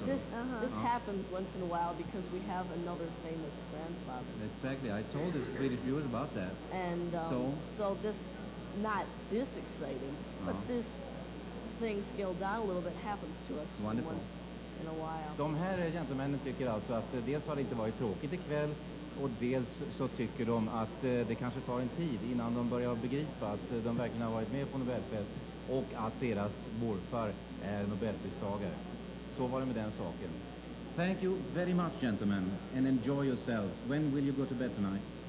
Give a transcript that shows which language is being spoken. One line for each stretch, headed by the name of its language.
English: This happens once in a while because we have another famous grandfather. Exactly. I told the Swedish viewers about that. And so this, not this exciting, but this thing scaled down a little bit happens to us once in a while.
Swedish: De här gentlemännen tycker alltså att dels har det inte varit tråkigt ikväll, och dels så tycker de att det kanske tar en tid innan de börjar begripa att de verkligen har varit med på Nobelfest. Och att deras morfar är Nobelpristagare. Så var det med den saken.
English: Thank you very much, gentlemen, and enjoy yourselves. When will you go to bed tonight?